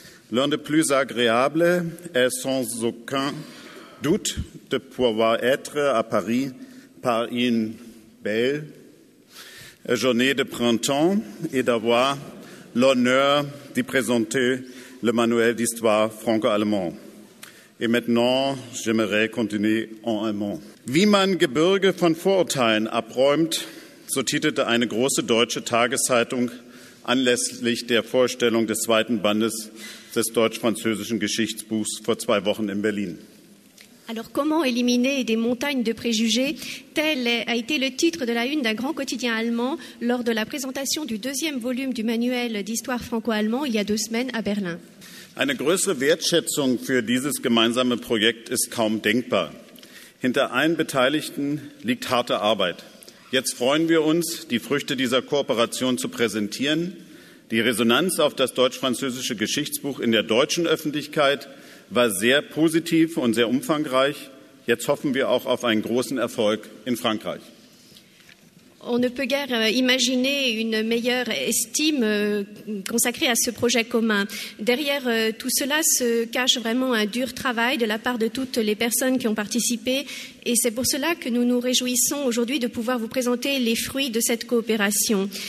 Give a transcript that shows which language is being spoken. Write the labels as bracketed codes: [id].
[fr] L'un des plus agréables est sans aucun doute de pouvoir être à Paris par une belle journée de printemps et d'avoir l'honneur d'y présenter le manuel d'histoire franco-allemand. Et maintenant, j'aimerais continuer en allemand. [de] Wie man Gebirge von Vorurteilen abräumt, so titelte eine große deutsche Tageszeitung anlässlich der Vorstellung des zweiten Bandes des deutsch-französischen Geschichtsbuchs vor zwei Wochen in Berlin. [fr] Alors comment éliminer des montagnes de préjugés? Tel a été le titre de la une d'un grand quotidien allemand lors de la présentation du deuxième volume du manuel d'histoire franco-allemand il y a deux semaines à Berlin. [de] Eine größere Wertschätzung für dieses gemeinsame Projekt ist kaum denkbar. Hinter allen Beteiligten liegt harte Arbeit. Jetzt freuen wir uns, die Früchte dieser Kooperation zu präsentieren. Die Resonanz auf das deutsch-französische Geschichtsbuch in der deutschen Öffentlichkeit war sehr positiv und sehr umfangreich. Jetzt hoffen wir auch auf einen großen Erfolg in Frankreich. [fr] On ne peut guère imaginer une meilleure estime consacrée à ce projet commun. Derrière tout cela se cache vraiment un dur travail de la part de toutes les personnes qui ont participé. Et c'est pour cela que nous nous réjouissons aujourd'hui de pouvoir vous présenter les fruits de cette coopération.